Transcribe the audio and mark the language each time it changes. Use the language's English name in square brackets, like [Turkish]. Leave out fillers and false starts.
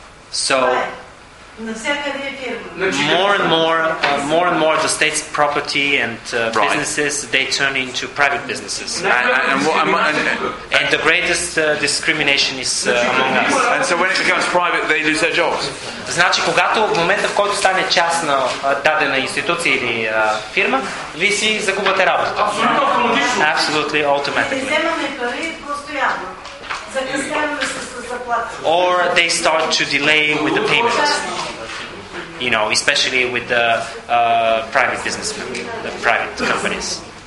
[English] So more and more the state's property and businesses, they turn into private businesses. And the greatest discrimination is among us. And so when it becomes private, they lose their jobs. [Bulgarian] Значи, когато в момента, в който стане частна дадена институция или фирма, ви си загубвате работа. Абсолютно автоматично. [English] Absolutely automatically. [Bulgarian] Вземаме пари постоянно. Закъсняваме с заплата. [English] Or they start to delay with the payments. You know, especially with the private businessmen, the private companies.